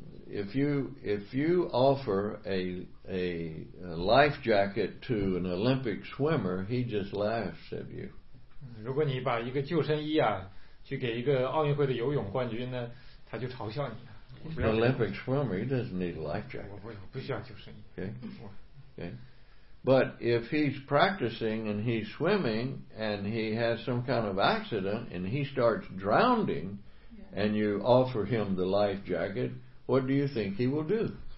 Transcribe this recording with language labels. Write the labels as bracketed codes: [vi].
[en] If you offer a life jacket to an Olympic swimmer, he just laughs at you. [zh] 如果你把一个救生衣啊, 去给一个奥运会的游泳冠军呢, 他就嘲笑你。 [en] He's an Olympic swimmer. He doesn't need a life jacket. [zh] 我不需要救生衣。 [en] Okay. But if he's practicing and he's swimming and he has some kind of accident and he starts drowning and you offer him the life jacket, what do you think he will do?